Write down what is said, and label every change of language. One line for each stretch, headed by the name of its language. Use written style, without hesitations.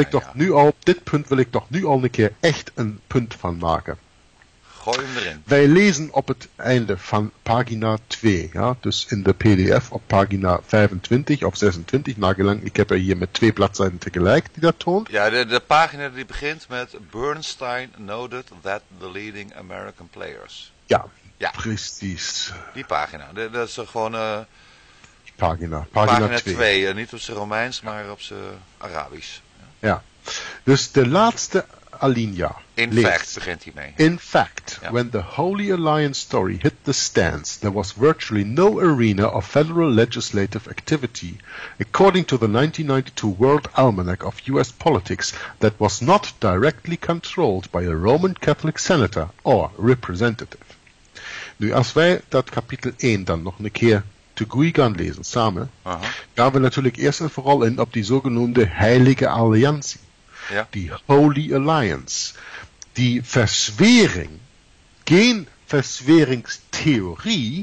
Dutch: ik toch nu al, dit punt wil ik toch nu al een keer echt een punt van maken. Erin. Wij lezen op het einde van pagina 2, ja, dus in de PDF op pagina 25 of 26, nagelang, ik heb er hier met twee bladzijden tegelijk die dat toont. Ja, de pagina die begint met
English: Bernstein noted that the leading American players.
Dutch: Ja, ja. Precies. Die pagina, dat is gewoon pagina 2, niet op zijn Romeins, maar op zijn Arabisch. Ja, dus de laatste Alinea. In leest. Fact, begint hij mee.
English: In fact,
Dutch: ja.
English: When the Holy Alliance story hit the stands, there was virtually no arena of federal legislative activity, according to the 1992 World Almanac of U.S. politics, that was not directly controlled by a Roman Catholic senator or representative.
Dutch: Nu, als wij dat kapitel 1 dan nog een keer te goed gaan lezen, samen, uh-huh. gaan we natuurlijk eerst en vooral in op die zogenoemde Heilige Alliantie. Ja. Die Holy Alliance, die verswering, geen verzweringstheorie,